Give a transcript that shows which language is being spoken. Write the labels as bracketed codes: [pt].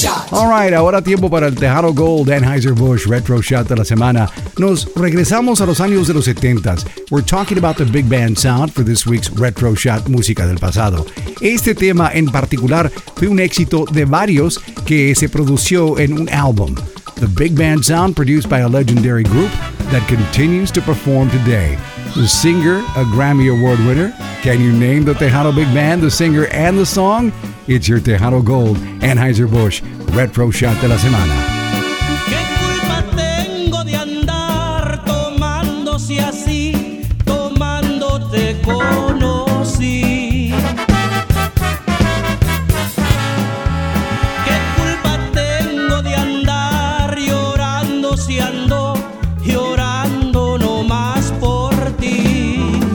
[en] All right, [es] ahora tiempo para el Tejano Gold Anheuser-Busch Retro Shot de la semana. Nos regresamos a los años de los 70s. [en] We're talking about the big band sound for this week's Retro Shot Música del Pasado. [es] Este tema en particular fue un éxito de varios que se produjo en un álbum. [en] The big band sound produced by a legendary group that continues to perform today. The singer, a Grammy Award winner. Can you name the Tejano Big Band, the singer, and the song? It's your Tejano Gold, Anheuser-Busch, Retro Shot de la Semana. [es] ¿Qué culpa tengo de andar tomándose así, tomándote conocí? ¿Qué culpa tengo de andar llorando si ando llorando nomás por ti?